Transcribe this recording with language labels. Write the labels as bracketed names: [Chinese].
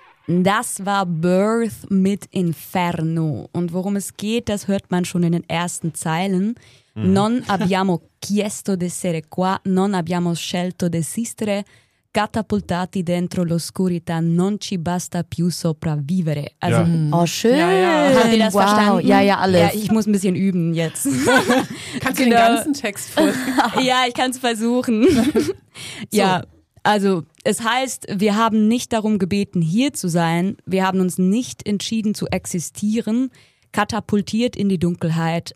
[German] Das war Birth mit Inferno. Und worum es geht, das hört man schon in den ersten Zeilen. Mhm. [Italian] Non abbiamo chiesto di essere qua, non abbiamo scelto di esistere, catapultati dentro l'oscurità, non ci basta più sopravvivere. [German] Also, ja. Oh, schön. Ja, ja. Habt ihr das wow. verstanden? Ja, ja, alles. Ja, ich muss ein bisschen üben jetzt. Kannst du genau. den ganzen Text vorlesen? Ja, ich kann es versuchen. So. Ja, also... Es heißt, wir haben nicht darum gebeten, hier zu sein. Wir haben uns nicht entschieden zu existieren. Katapultiert in die Dunkelheit.